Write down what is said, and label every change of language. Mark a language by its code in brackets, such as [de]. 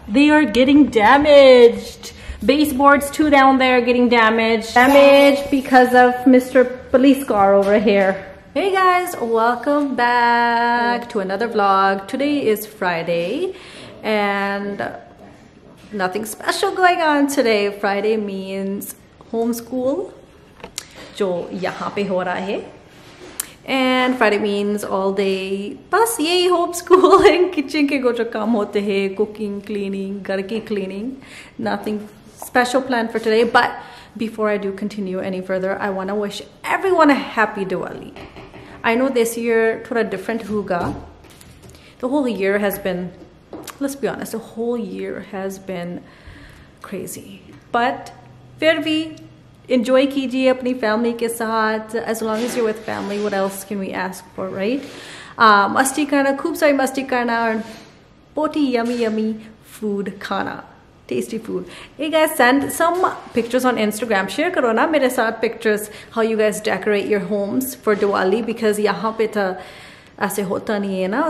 [en] They are getting damaged. Baseboards too down there getting damaged. Damaged because of Mr. Police Car over here. Hey guys, welcome back to another vlog. Today is Friday and nothing special going on today. Friday means homeschool, [hi] जो यहाँ पे हो रहा है. [en] And Friday means all day, [hi] बस येही [en] homeschool and [hi] kitchen के जो काम होते है, [en] cooking, cleaning, [hi] घर की [en] cleaning. Nothing special planned for today, but before I do continue any further, I want to wish everyone a happy Diwali. I know this year [hi] थोड़ा डिफरेंट होगा. [en] The whole year has been, let's be honest, the whole year has been crazy. [hi] But फिर भी enjoy कीजिए अपनी family के साथ. [en] As long as you're with family, what else can we ask for, right? [hi] मस्ती करना, खूब सारी मस्ती करना, and बहुत ही [en] yummy yummy food [hi] खाना. [en] Tasty food. Hey guys, send some pictures on Instagram. [hi] Share करो ना मेरे साथ [en] pictures how you guys decorate your homes for Diwali, [hi] because यहाँ पे ता ऐसे होता नहीं है ना.